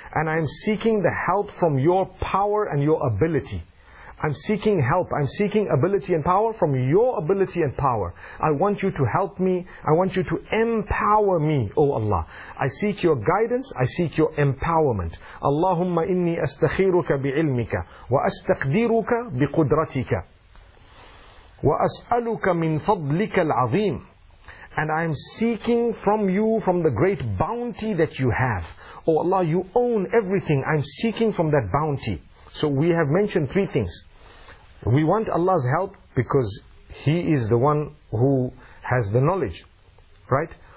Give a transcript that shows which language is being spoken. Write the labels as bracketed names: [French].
[English] And I am seeking the help from your power and your ability. I'm seeking help. I'm seeking ability and power from your ability and power. I want you to help me. I want you to empower me, O Allah. I seek your guidance. I seek your empowerment. [Arabic] اللهم إني أستخيرك بعلمك وأستقديرك بقدرتك وأسألك من فضلك العظيم. [English] And I am seeking from you, from the great bounty that you have. Oh Allah, you own everything. I am seeking from that bounty. So we have mentioned three things. We want Allah's help because He is the one who has the knowledge. Right?